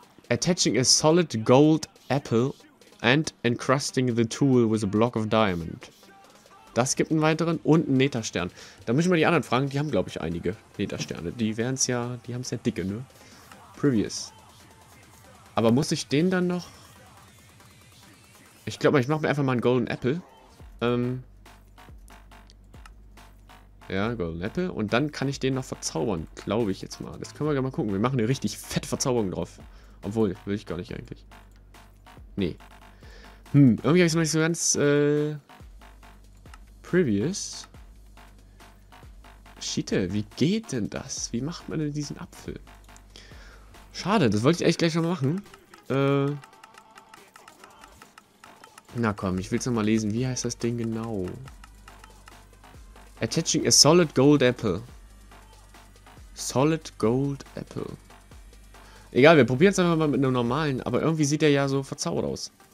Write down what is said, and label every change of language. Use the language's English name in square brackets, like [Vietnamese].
[English] Attaching a solid gold apple and encrusting the tool with a block of diamond. [German] Das gibt einen weiteren und einen Netherstern. Da müssen wir die anderen fragen. Die haben, glaube ich, einige Nethersterne. Die wären es ja, die haben es ja dicke, ne? Previous. Aber muss ich den dann noch? Ich glaube, ich mache mir einfach mal einen Golden Apple. Ja, Golden Apple. Und dann kann ich den noch verzaubern, glaube ich jetzt mal. Das können wir ja mal gucken. Wir machen eine richtig fette Verzauberung drauf. Obwohl, will ich gar nicht eigentlich. Nee. Irgendwie habe ich es noch nicht so ganz, Previous. Schiete, wie geht denn das? Wie macht man denn diesen Apfel? Schade, das wollte ich echt gleich schon machen. Na komm, ich will es nochmal lesen. Wie heißt das Ding genau? [English] Attaching a solid gold apple. Solid gold apple. [German] Egal, wir probieren es einfach mal mit einem normalen. Aber irgendwie sieht der ja so verzaubert aus.